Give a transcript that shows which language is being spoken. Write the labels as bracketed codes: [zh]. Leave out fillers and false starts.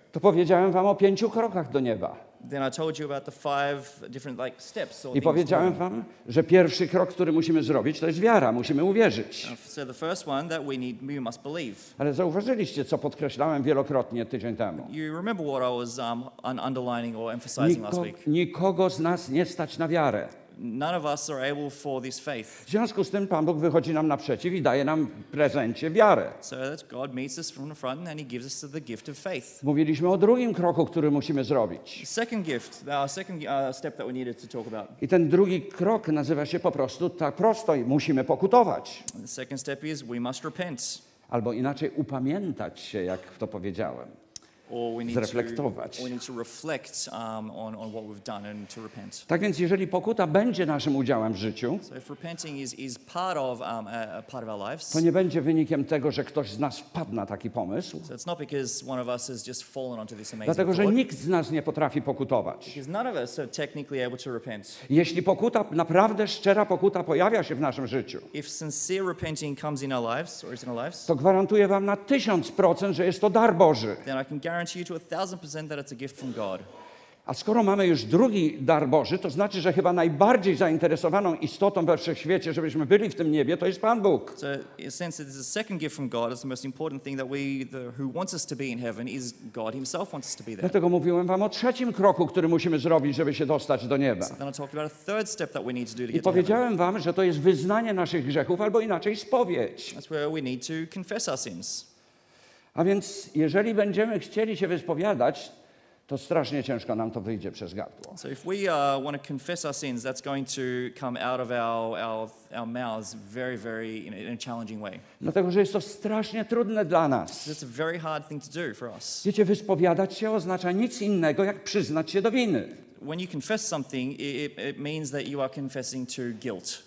[pl] to powiedziałem wam o pięciu krokach do nieba. [en] Then I told you about the five different like steps. [pl] I powiedziałem wam, że pierwszy krok, który musimy zrobić, to jest wiara, musimy uwierzyć. [en] So the first one that we must believe. [pl] Ale zauważyliście, co podkreślałem wielokrotnie tydzień temu. [en] You remember what I was underlining or emphasizing last week. [pl] Nikogo z nas nie stać na wiarę. [en] None of us are able for this faith. [pl] W związku z tym Pan Bóg wychodzi nam naprzeciw i daje nam prezencie wiary. [en] So that God meets us from the front and he gives us the gift of faith. [pl] Mówiliśmy o drugim kroku, który musimy zrobić. [en] Second gift, our second step that we needed to talk about. [pl] I ten drugi krok nazywa się po prostu tak prosto, musimy pokutować. [en] The second step is we must repent. [pl] Albo inaczej upamiętać się, jak to powiedziałem. Zreflektować. [en] Or we need to reflect on what we've done and to repent. [pl] Tak więc jeżeli pokuta będzie naszym udziałem w życiu, [en] so if repenting is part of part of our lives, [pl] to nie będzie wynikiem tego, że ktoś z nas wpadł na taki pomysł. [en] So it's not because one of us has just fallen onto this amazing. [pl] Dlatego, [en] thought, [pl] że nikt z nas nie potrafi pokutować. [en] Because none of us are technically able to repent. [pl] Jeśli pokuta, naprawdę szczera pokuta pojawia się w naszym życiu, [en] if sincere repenting comes in our lives or is in our lives, [pl] to gwarantuję wam na 1000%, że jest to dar Boży. [en] Then I can guarantee you to 1000% that it's a gift from God. [pl] A skoro mamy już drugi dar Boży, to znaczy, że chyba najbardziej zainteresowaną istotą we wszechświecie, żebyśmy byli w tym niebie, to jest Pan Bóg. [en] So in a sense that this is a second gift from God, it's the most important thing that who wants us to be in heaven is God himself wants us to be there. [pl] Dlatego mówiłem wam o trzecim kroku, który musimy zrobić, żeby się dostać do nieba. [en] So then I talked about a third step that we need to do to get to. [pl] I powiedziałem wam, że to jest wyznanie naszych grzechów albo inaczej spowiedź. [en] That's where we need to confess our sins. [pl] A więc jeżeli będziemy chcieli się wyspowiadać, to strasznie ciężko nam to wyjdzie przez gardło. [en] So if we want to confess our sins, that's going to come out of our mouths very, very in a challenging way. [pl] Dlatego, że jest to strasznie trudne dla nas. [en] So it's a very hard thing to do for us. [pl] Wiecie, wyspowiadać się oznacza nic innego, jak przyznać się do winy. [en] When you confess something, it means that you are confessing to guilt.